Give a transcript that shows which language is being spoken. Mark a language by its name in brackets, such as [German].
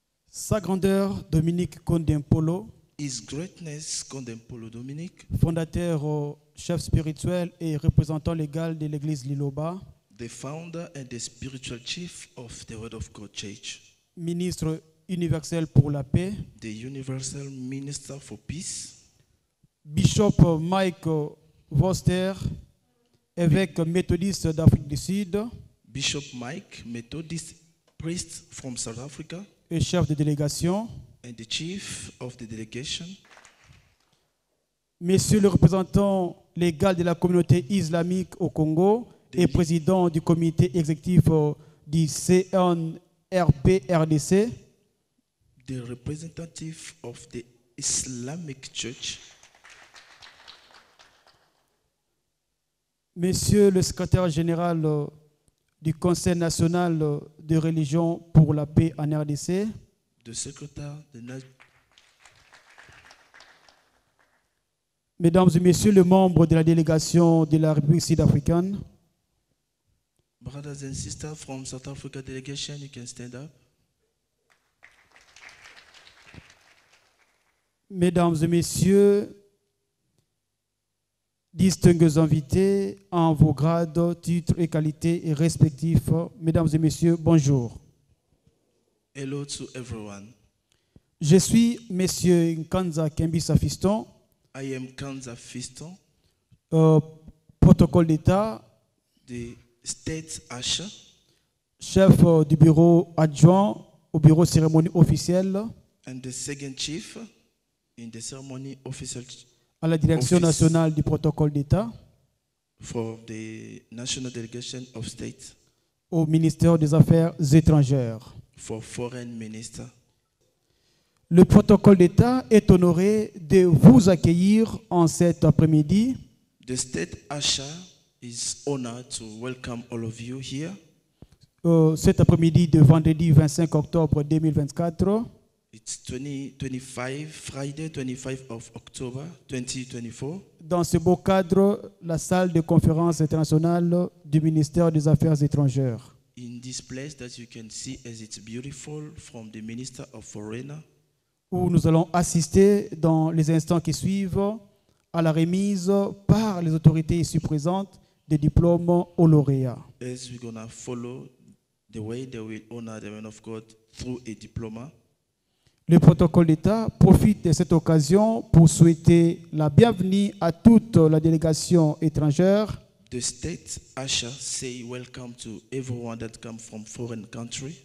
[French] Sa grandeur, Dominique Kondempolo. [English] His greatness, Kondempolo Dominique. [French] Fondateur, chef spirituel et représentant légal de l'église Liloba. [English] The founder and the spiritual chief of the Word of God Church. [French] Ministre universel pour la paix. [English] The universal minister for peace. [French] Bishop Mike Voster, évêque méthodiste d'Afrique du Sud. [English] Bishop Mike, Methodist priest from South Africa. [French] Et chef de délégation. [English] And the chief of the delegation. [French] Monsieur le représentant légal de la communauté islamique au Congo et président du comité exécutif du CNRP-RDC. [English] The representative of the Islamic Church. [French] Monsieur le secrétaire général du Conseil national de religion pour la paix en RDC. De secrétaire de Mesdames et messieurs, les membres de la délégation de la République sud-africaine. [English] Brothers and sisters from South Africa delegation, you can stand up. [French] Mesdames et messieurs, distingués invités en vos grades, titres et qualités et respectifs, mesdames et messieurs, bonjour. [English] Hello to everyone. [French] Je suis Monsieur Nkanza Kembisa Fiston. [English] I am Kanza Fiston. [French] Protocole d'État. [English] The State Usher. [French] Chef du bureau adjoint au bureau cérémonie officielle. [English] And the second chief in the ceremony official. [French] À la direction nationale du protocole d'État. [English] For the national delegation of state. [French] Au ministère des Affaires étrangères. [English] For foreign minister. [French] Le protocole d'État est honoré de vous accueillir en cet après-midi. [English] The state usher is honored to welcome all of you here. [French] Cet après-midi de vendredi 25 octobre 2024. [English] It's 25 Friday 25 of October 2024. [French] Dans ce beau cadre, la salle de conférence internationale du ministère des Affaires étrangères. [English] In this place that you can see as it's beautiful from the Minister of Foreign. [French] Où nous allons assister dans les instants qui suivent à la remise par les autorités ici présentes des diplômes aux lauréats. [English] As we're going to follow the way they will honor the man of God through a diploma. [French] Le protocole d'État profite de cette occasion pour souhaiter la bienvenue à toute la délégation étrangère. [English] The state usher say welcome to everyone that come from foreign country.